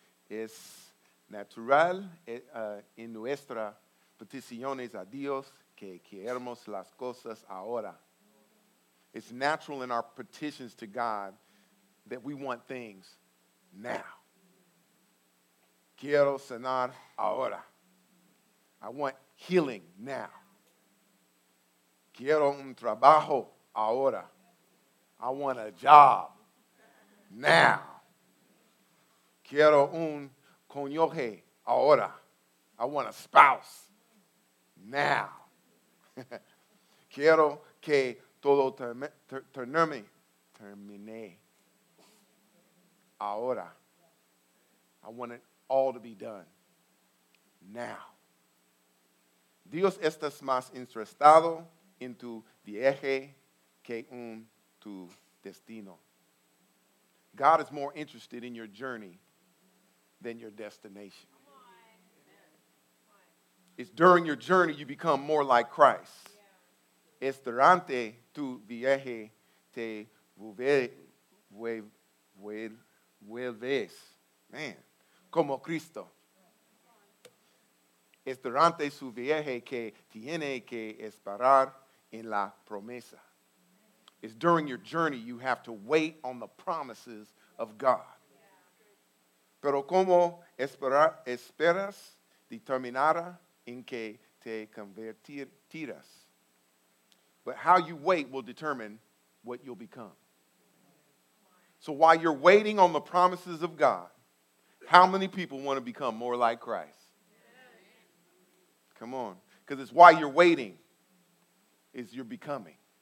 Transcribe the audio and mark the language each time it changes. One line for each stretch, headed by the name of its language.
Spanish: Es natural en nuestras peticiones a Dios que queremos las cosas ahora.
English: It's natural in our petitions to God that we want things now.
Spanish: Quiero sanar ahora.
English: I want healing now.
Spanish: Quiero un trabajo ahora.
English: I want a job now.
Spanish: Quiero un cónyuge, ahora.
English: I want a spouse, now.
Spanish: Quiero que todo termine, ahora.
English: I want it all to be done, now.
Spanish: Dios está más interesado en tu viaje que en tu destino.
English: God is more interested in your journey than your destination. It's during your journey you become more like Christ.
Spanish: Es durante tu viaje te vuelves, man, como Cristo. Es durante su viaje que tiene que esperar en la promesa.
English: It's during your journey you have to wait on the promises of God.
Spanish: Pero como esperas determinar en que te convertirás.
English: But how you wait will determine what you'll become. So while you're waiting on the promises of God, how many people want to become more like Christ? Come on. Because it's while you're waiting is you're becoming.